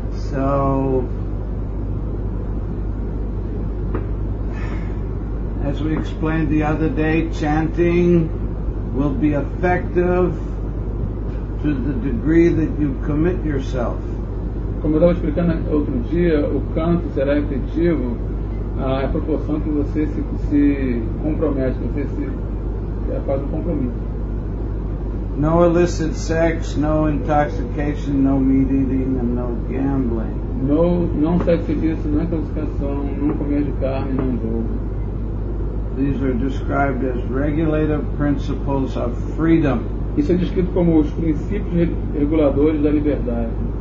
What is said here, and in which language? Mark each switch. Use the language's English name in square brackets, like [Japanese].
[English] So as we explained the other day, chanting will be effective to the degree that you commit yourself. [Portuguese] Como eu estava explicando outro dia, o canto será efetivo à proporção que você se compromete, você faz um compromisso. [English] No illicit sex, no intoxication, no meat eating, and no gambling. [Portuguese] Não sexo ilícito, não intoxicação, não comer de carne, não jogo. [English] These are described as regulative principles of freedom. [Portuguese] Isso é descrito como os princípios reguladores da liberdade.